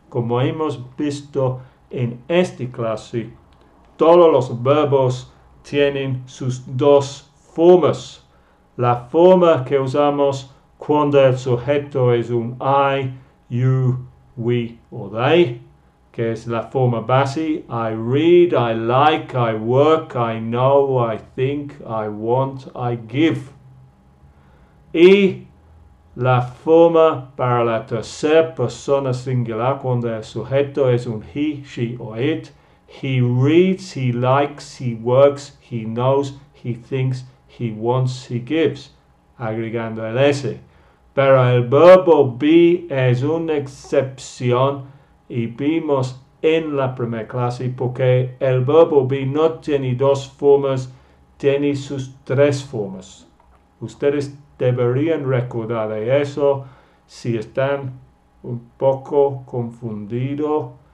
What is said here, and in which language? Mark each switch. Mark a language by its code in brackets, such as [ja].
[es] Como hemos visto en esta clase, todos los verbos tienen sus dos formas. La forma que usamos cuando el sujeto es un [en] I, you, we or they, [es] que es la forma base. [en] I read, I like, I work, I know, I think, I want, I give. [es] Y la forma para la tercera persona singular cuando el sujeto es un [en] he, she or it. He reads, he likes, he works, he knows, he thinks, he wants, he gives, [es] agregando el S. Pero el verbo be es una excepción y vimos en la primera clase porque el verbo be no tiene dos formas, tiene sus tres formas. Ustedes deberían recordar de eso si están un poco confundidos.